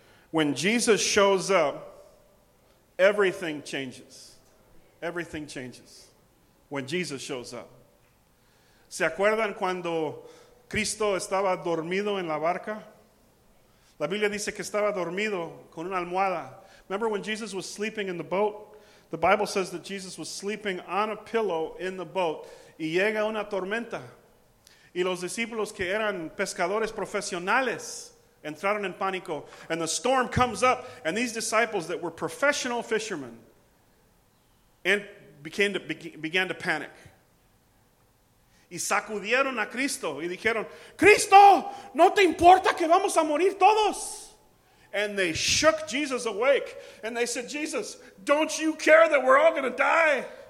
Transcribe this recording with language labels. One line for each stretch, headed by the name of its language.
English: When Jesus shows up, everything changes. Everything changes. When Jesus shows up.
Spanish: ¿Se acuerdan cuando Cristo estaba dormido en la barca? La Biblia dice que estaba dormido con una almohada.
English: Remember when Jesus was sleeping in the boat? The Bible says that Jesus was sleeping on a pillow in the boat.
Spanish: Y llega una tormenta. Y los discípulos que eran pescadores profesionales entraron en pánico.
English: And the storm comes up. And these disciples that were professional fishermen began to panic.
Spanish: Y sacudieron a Cristo. Y dijeron, Cristo, ¿no te importa que vamos a morir todos?
English: And they shook Jesus awake. And they said, Jesus, don't you care that we're all going to die?